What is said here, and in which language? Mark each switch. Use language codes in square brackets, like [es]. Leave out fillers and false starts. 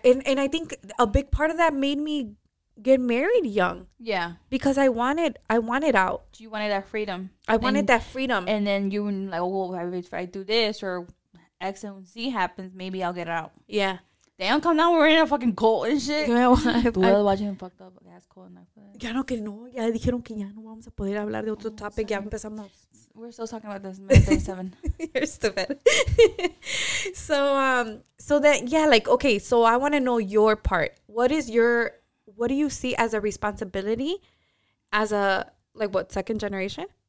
[en] And I think a big part of that made me get married young. Yeah. Because I wanted out. You wanted that freedom. I wanted that freedom. And then you were like, oh, if I do this or X and Z happens, maybe I'll get out. Yeah. Damn, come down, we're in a fucking cult and shit. We're watching him fucked up. That's cool enough. [es] Ya no que no. Ya dijeron que ya no vamos a poder hablar de otro topic. Sorry. Ya empezamos. [en] We're still talking about this. 37. You're stupid. So that, yeah, like, okay, so I want to know your part. What do you see as a responsibility as a, like, what, second generation?